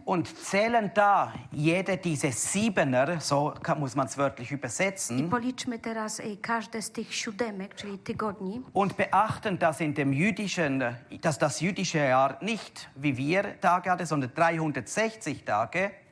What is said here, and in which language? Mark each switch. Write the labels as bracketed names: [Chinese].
[German] Und zählen da jede diese siebener, so muss man es wörtlich übersetzen. [Polish] I policzmy teraz każde z tych siódemek, czyli tygodni. [German] Und beachten, dass in dem jüdischen, dass das jüdische Jahr nicht wie wir Tage hatte, sondern 360 Tage.